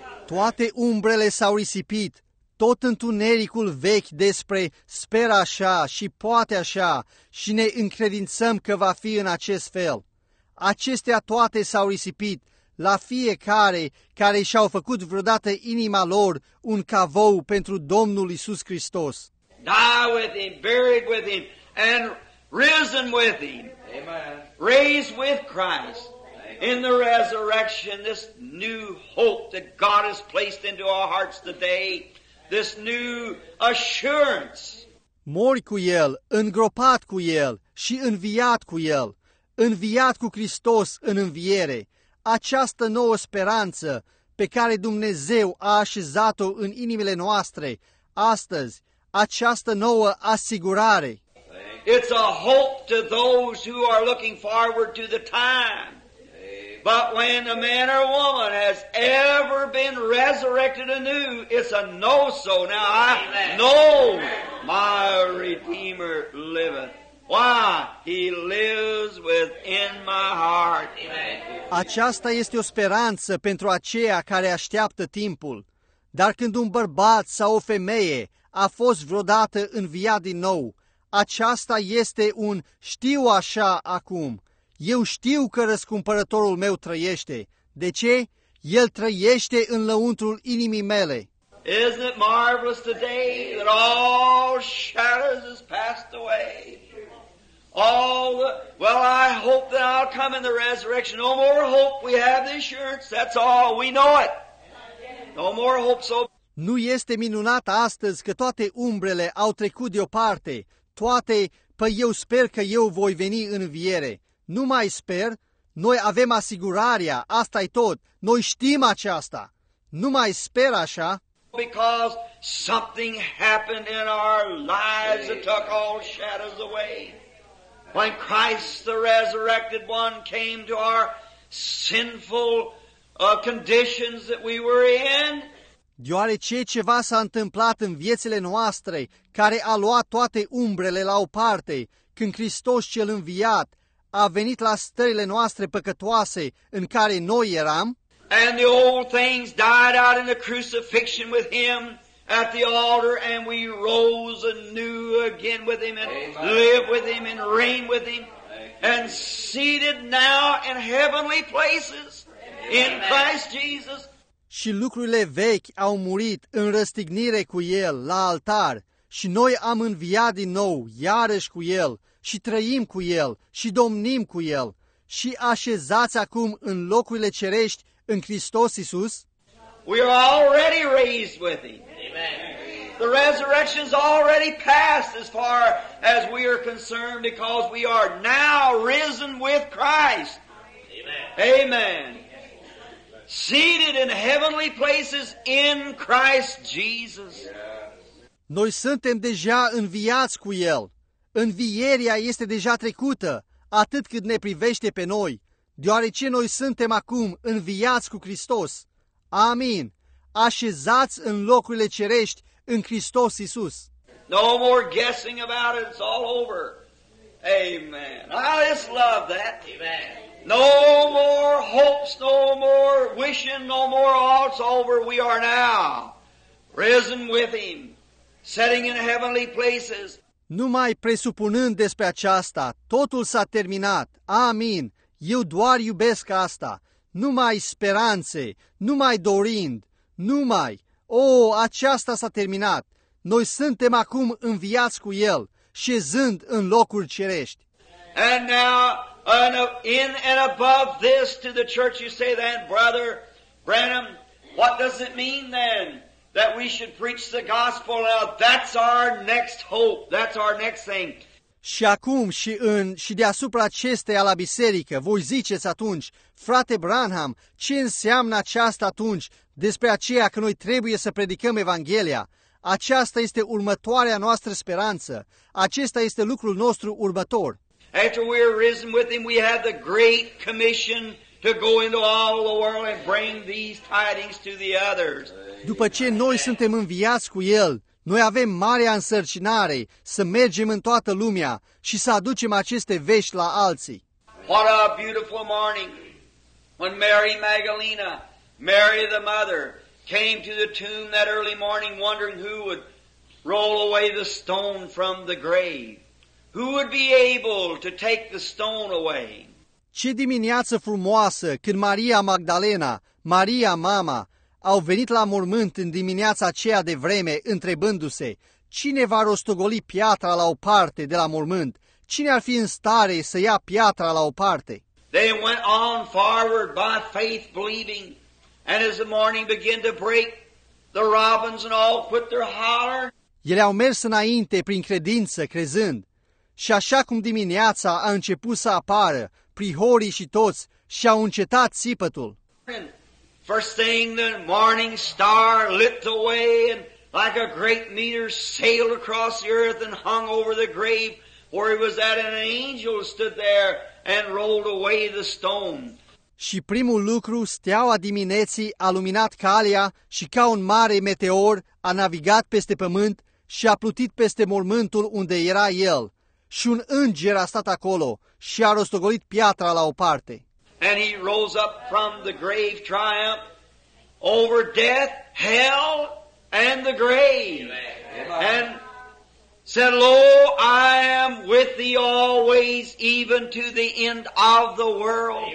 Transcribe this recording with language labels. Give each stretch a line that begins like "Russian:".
Romanian: Toate umbrele s-au risipit, tot întunericul vechi despre sper așa și poate așa și ne încredințăm că va fi în acest fel. Acestea toate s-au risipit. La fiecare care și-au făcut vreodată inima lor un cavou pentru Domnul Iisus Hristos.
English: Die with him, buried with him, and risen with him. Amen. Raised with Christ. Amen. In the resurrection, this new hope that God has placed into our hearts today, this new assurance.
Romanian: Mori cu El, îngropat cu El și înviat cu El, înviat cu Hristos în înviere. Această nouă speranță pe care Dumnezeu a așezat-o în inimile noastre astăzi, această nouă asigurare.
English: It's a hope to those who are looking forward to the time. But when a man or woman has ever been resurrected anew, it's a no-so. Now I know my Redeemer liveth. Why? He lives within my heart.
Romanian: Aceasta este o speranță pentru aceia care așteaptă timpul. Dar când un bărbat sau o femeie a fost vreodată înviat din nou, aceasta este un știu așa acum. Eu știu că răscumpărătorul meu trăiește. De ce? El trăiește în lăuntrul inimii mele.
English: Isn't it marvelous today that all shadows has passed away? I hope that I'll come in the resurrection. No more hope. We have the assurance. That's all. We know it. No more hope. So.
Romanian: Nu este minunat astăzi că toate umbrele au trecut deoparte. Toate, eu sper că eu voi veni în înviere. Nu mai sper. Noi avem asigurarea. Asta e tot. Noi știm aceasta. Nu mai sper așa.
English: Because something happened in our lives that took all shadows away. When Christ the resurrected one came to our sinful conditions that we were in.
Romanian: Deoarece ceva s-a întâmplat în viețile noastre care a luat toate umbrele la o parte, când Hristos cel înviat a venit la stările noastre păcătoase în care noi eram.
English: And the old things died out in the crucifixion with him at the altar, and we rose anew again with him and live with him and reign with him and seated now in heavenly places. Amen. In Christ Jesus.
Romanian: Și lucrurile vechi au murit în răstignire cu El la altar și noi am înviat din nou iarăși cu El și trăim cu El și domnim cu El și așezați acum în locurile cerești în Hristos Iisus.
English: We are already raised with him. Amen. The resurrection's already passed as far as we are concerned, because we are now risen with Christ. Amen. Amen. Seated in heavenly places in Christ Jesus.
Romanian: Noi suntem deja înviați cu El. Învierea este deja trecută, atât cât ne privește pe noi, deoarece noi suntem acum înviați cu Hristos. Amin. Așezați în locurile cerești în Hristos Iisus.
English: No more guessing about it, it's all over. Amen. I just love that. Amen. No more hopes, no more wishing, no more all, it's over. We are now risen with Him, sitting in heavenly places.
Romanian: Numai presupunând despre aceasta, totul s-a terminat. Amin. Eu doar iubesc asta. Numai speranțe, numai dorind, numai. Aceasta s-a terminat. Noi suntem acum înviați cu El, șezând în locuri cerești.
English: And now, in and above this, to the church you say that, brother Branham, what does it mean then? That we should preach the gospel. Now, that's our next hope. That's our next thing.
Romanian: Și acum și deasupra acesteia la biserică, voi ziceți atunci, frate Branham, ce înseamnă aceasta atunci despre aceea că noi trebuie să predicăm Evanghelia? Aceasta este următoarea noastră speranță. Acesta este lucrul nostru următor.
English: After we are risen with Him, we have the great commission to go into all the world and bring these tidings to the others.
Romanian: După ce noi suntem înviați cu El, noi avem marea însărcinare să mergem în toată lumea și să aducem aceste vești la alții.
English: What a beautiful morning when Mary Magdalena, Mary the mother, came to the tomb that early morning wondering who would roll away the stone from the grave. Who would be able to take the stone away?
Romanian: Ce dimineață frumoasă când Maria Magdalena, Maria mama, au venit la mormânt în dimineața aceea de vreme, întrebându-se, cine va rostogoli piatra la o parte de la mormânt? Cine ar fi în stare să ia piatra la o parte?
English: They went on forward by faith, believing, and as the morning began to break, the robins and all quit their holler.
Romanian: Ele au mers înainte prin credință, crezând, și așa cum dimineața a început să apară, prihorii și toți și-au încetat țipătul.
English: First thing, the morning star lit the way, and like a great meteor sailed across the earth and hung over the grave where it was at, and an angel stood there and rolled away the stone.
Romanian: Și primul lucru, steaua dimineții a luminat calea și ca un mare meteor a navigat peste pământ și a plutit peste mormântul unde era El. Și un înger a stat acolo și a rostogolit piatra la o parte.
English: And he rose up from the grave triumph over death, hell, and the grave. Amen. And said, Lo, I am with thee always, even to the end of the world.